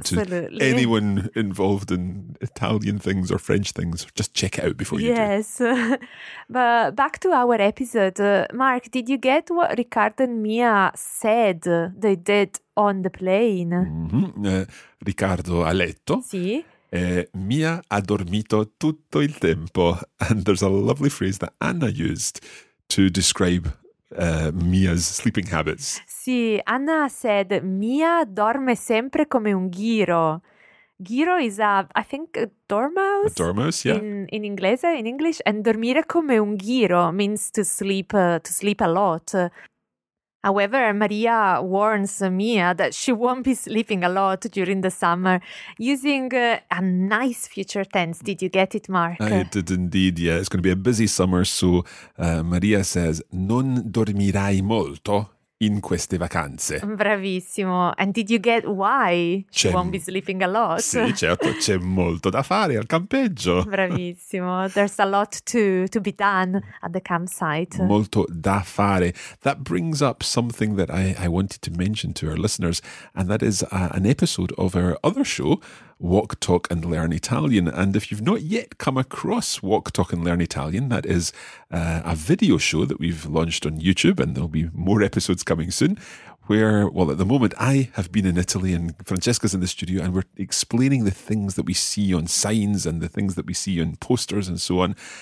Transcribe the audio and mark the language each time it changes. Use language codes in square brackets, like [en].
[en] Absolutely. To anyone involved in Italian things or French things, just check it out before you do. Yes. But back to our episode. Mark, did you get what Riccardo and Mia said they did on the plane? [it] Mm-hmm. Riccardo ha letto. Sì. Mia ha dormito tutto il tempo. [en] And there's a lovely phrase that Anna used to describe Mia's sleeping habits. [it] Sì, [en] Anna said, [it] Mia dorme sempre come un ghiro. [en] Giro is a, I think, a dormouse. A dormouse, yeah. [it] In inglese, [en] in English, and [it] dormire come un giro [en] means to sleep a lot. However, Maria warns Mia that she won't be sleeping a lot during the summer, using a nice future tense. Did you get it, Mark? I did indeed. Yeah, it's going to be a busy summer. So Maria says, [it] "Non dormirai molto in queste vacanze." Bravissimo. [en] And did you get why she won't be sleeping a lot? [it] Sì, certo, c'è molto da fare al campeggio. Bravissimo. [en] There's a lot to be done at the campsite. [it] Molto da fare. [en] That brings up something that I wanted to mention to our listeners, and that is an episode of our other show, Walk, Talk and Learn Italian. And if you've not yet come across Walk, Talk and Learn Italian, that is a video show that we've launched on YouTube, and there'll be more episodes coming soon, where, well, at the moment I have been in Italy and Francesca's in the studio, and we're explaining the things that we see on signs and the things that we see on posters and so on.